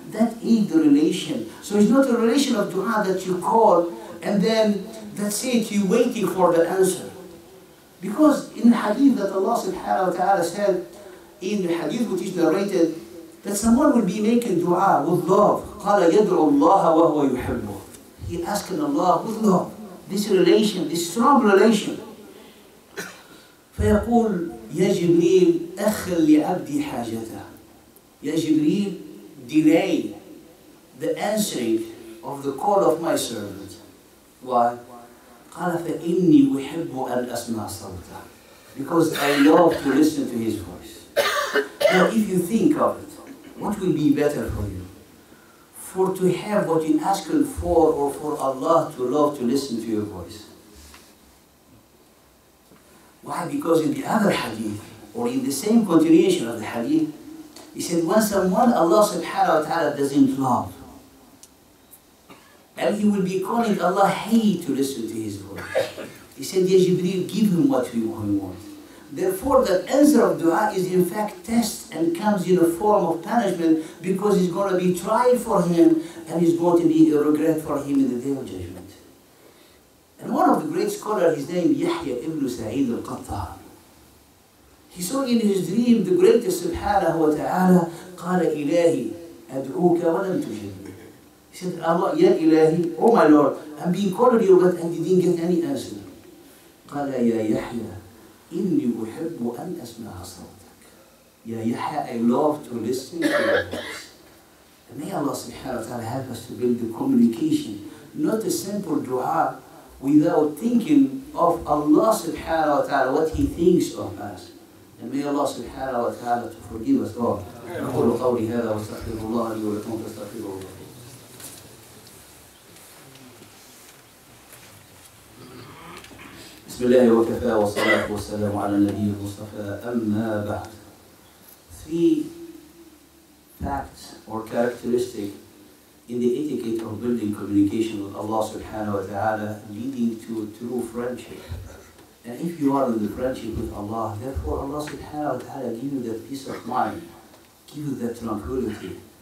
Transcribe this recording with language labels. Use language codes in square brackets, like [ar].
[en] That is the relation. So it's not a relation of dua that you call and then that's it, you're waiting for the answer. Because in the hadith that Allah subhanahu wa ta'ala said, in the hadith which is narrated, that someone will be making dua with love. [ar] قَالَ يَدْعُ اللَّهَ وَهُوَ يُحِبُّهُ. [en] He asking Allah with love, this relation, this strong relation. [ar] فيقول يا جبريل أخل لعبدي حاجته. يا جبريل, [en] delay the answering of the call of my servant. Why? [ar] قال فإني أحب أن أسمع صوته. [en] Because I love to listen to his voice. Now if you think of it, what will be better for you? For to have what you ask him for, or for Allah to love to listen to your voice? Why? Because in the other hadith, or in the same continuation of the hadith, he said, when someone Allah subhanahu wa ta'ala doesn't love, and he will be calling Allah, hey, to listen to his voice. He said, Ya Jibreel, give him what he wants. Therefore, the answer of dua is in fact test and comes in a form of punishment, because it's going to be tried for him and it's going to be a regret for him in the day of judgment. And one of the great scholars, his name Yahya ibn Sa'id al-Qattar, he saw in his dream the greatest subhanahu wa ta'ala, [ar] قال إلهي أدعوك ولم تجب. [en] He said, Allah, [ar] Ya Ilahi, [en] oh my Lord, I'm being called to you, but I didn't get any answer. [ar] قال يا يحيى إني أحب أن أسمع صوتك. يا يحيى, [en] I love to listen to your voice. May Allah subhanahu wa ta'ala help us to build the communication, not a simple dua, without thinking of Allah subhanahu wa ta'ala, what He thinks of us. And may Allah subhanahu wa ta'ala to forgive us all. [ar] نقول قولي هذا واستغفر الله لي ولكم فاستغفروه الله. بسم الله وكفى والصلاة والسلام على النبي المصطفى أما بعد. [en] Three facts or characteristics in the etiquette of building communication with Allah subhanahu wa ta'ala leading to a true friendship. And if you are in the friendship with Allah, therefore Allah subhanahu wa ta'ala give you that peace of mind, give you that tranquility.